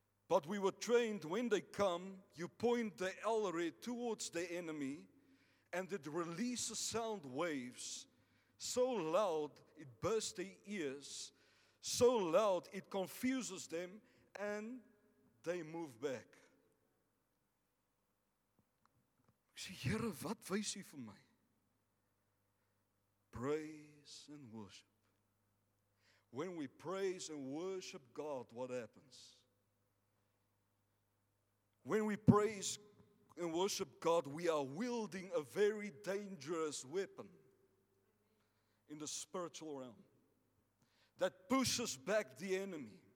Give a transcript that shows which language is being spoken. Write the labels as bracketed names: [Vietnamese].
[English] But we were trained, when they come, you point the L-Red towards the enemy, and it releases sound waves so loud it bursts their ears, so loud it confuses them, and they move back. [Afrikaans] Ek sê, Here, wat wys u vir my? [English] Praise and worship. When we praise and worship God, what happens? When we praise God, and worship God, we are wielding a very dangerous weapon in the spiritual realm that pushes back the enemy.